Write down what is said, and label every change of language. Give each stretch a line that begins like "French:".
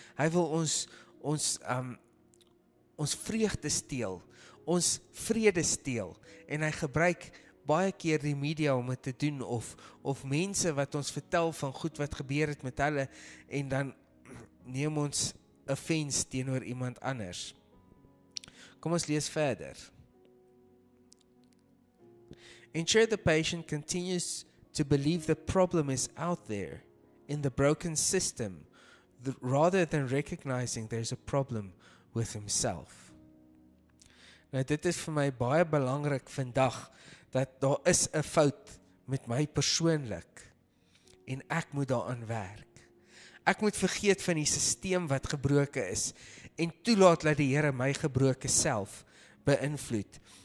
Afrikaans: Hy wil ons vreugde steel, ons vrede steel, en hy gebruik baie keer die media om dit te doen, of mense wat ons vertel van goed wat gebeur het met hulle, en dan neem ons 'n vens teenoor iemand anders. Kom ons lees verder.
English: Ensure the patient continues to believe the problem is out there in the broken system, rather than recognizing there's a problem with himself.
Afrikaans: Nou, dit is vir my baie belangrik vandag, dat daar is 'n fout met my persoonlik en ek moet daaraan werk. Ek moet vergeet van die systeem wat gebroke is en toelaat dat die Here my gebroke self beïnvloed.